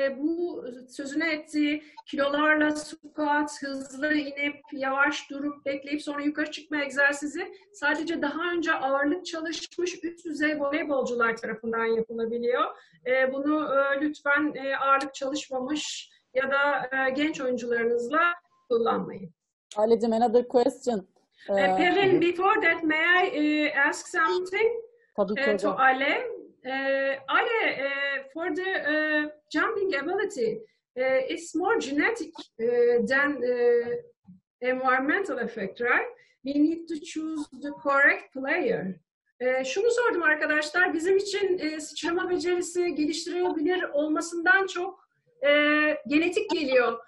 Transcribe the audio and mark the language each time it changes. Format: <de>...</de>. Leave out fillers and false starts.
<tr>Bu sözünü ettiği kilolarla squat, hızlı inip yavaş durup bekleyip sonra yukarı çıkma egzersizi sadece daha önce ağırlık çalışmış üst düzey voleybolcular tarafından yapılabiliyor. Bunu lütfen ağırlık çalışmamış ya da genç oyuncularınızla kullanmayın.</tr> <en>Ailecim, another question. Pelin, before that, may I ask something to Ale? Ale, for the jumping ability, it's more genetic than environmental effect, right? We need to choose the correct player.</en> <tr>Şunu sordum arkadaşlar, bizim için sıçrama becerisi geliştirilebilir olmasından çok genetik geliyor.</tr>